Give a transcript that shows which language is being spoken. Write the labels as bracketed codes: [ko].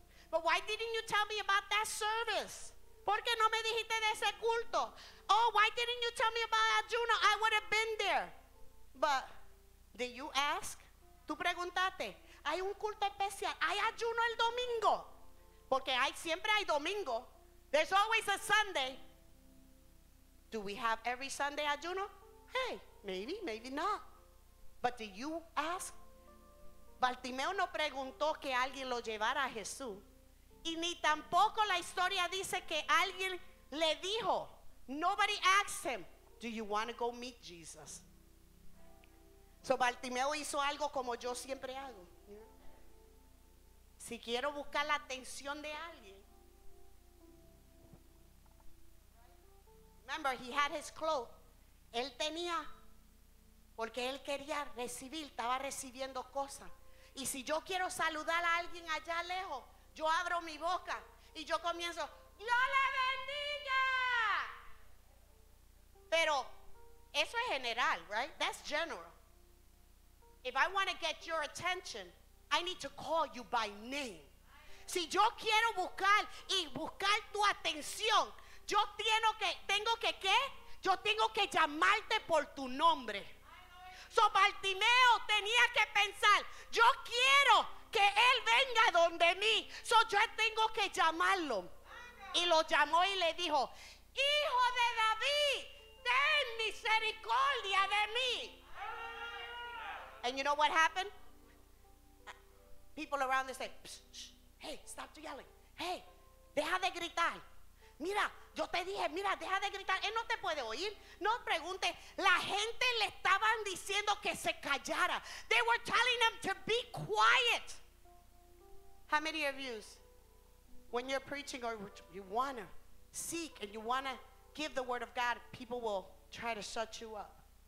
[en] But why didn't you tell me about that service? [es] ¿Por qué no me dijiste de ese culto? [en] Oh, why didn't you tell me about ayuno? I would have been there. But did you ask? [es] Tú preguntaste. Hay un culto especial. Hay ayuno el domingo. Porque siempre hay domingo. [en] There's always a Sunday. Do we have every Sunday ayuno? Hey, maybe, maybe not. But did you ask? [es] Bartimeo no preguntó que alguien lo llevara a Jesús. Y ni tampoco la historia dice que alguien le dijo. [en] Nobody asked him, do you want to go meet Jesus? [es] So Bartimeo hizo algo como yo siempre hago. Si quiero buscar la atención de alguien. [en] Remember, he had his cloak. [es] Él tenía, porque él quería recibir, estaba recibiendo cosas. Y si yo quiero saludar a alguien allá lejos, yo abro mi boca y yo comienzo, ¡Dios le bendiga! Pero eso es general, [en] right? That's general. If I want to get your attention, I need to call you by name. [es] Si yo quiero buscar y buscar tu atención, yo tengo que llamarte por tu nombre. So Bartimeo tenía que pensar, yo quiero que él venga donde mí. So yo tengo que llamarlo. Y lo llamó y le dijo, Hijo de David. misericordia de mí. [en] And you know what happened? People around there say, psh, psh, hey, stop yelling. [es] Hey, deja de gritar. Mira, yo te dije, mira, deja de gritar. Él no te puede oír. No pregunte. La gente le estaban diciendo que se callara. [en] They were telling him to be quiet. How many of you, when you're preaching or you want to seek and you want to give the word of God, people will try to shut you up?